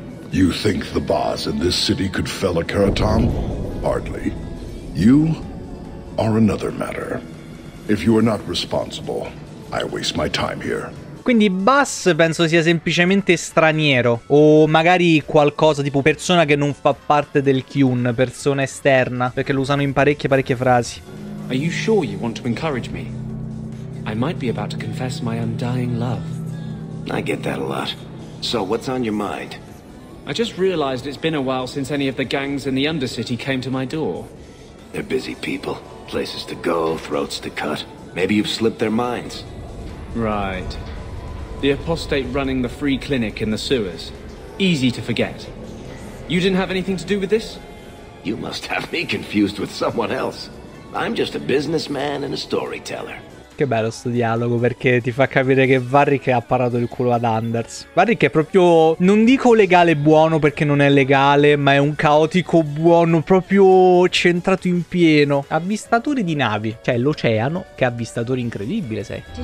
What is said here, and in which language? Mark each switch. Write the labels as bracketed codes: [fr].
[en] You think the bars in this city could fell a keraton? Hardly. You are another matter. If you are not responsible, I waste my time here. [it] Quindi Bass penso sia semplicemente straniero o magari qualcosa tipo persona che non fa parte del Kyun, persona esterna, perché lo usano in parecchie parecchie frasi. [en] Are you sure you want to encourage me? I might be about to confess my undying love. I get that a lot. So what's on your mind? I just realized it's been a while since any of the gangs in the Undercity came to my door. They're busy people, places to go, throats to cut. Maybe you've slipped their minds. Right. The apostate running the free clinic in the sewers. Easy to forget. You didn't have anything to do with this? You must have me confused with someone else. I'm just a businessman and a storyteller. [it] Che bello sto dialogo, perché ti fa capire che Varric ha parato il culo ad Anders. Varric è proprio, non dico legale buono perché non è legale, ma è un caotico buono, proprio centrato in pieno. Avvistatore di navi. Cioè l'oceano, che avvistatore incredibile sei.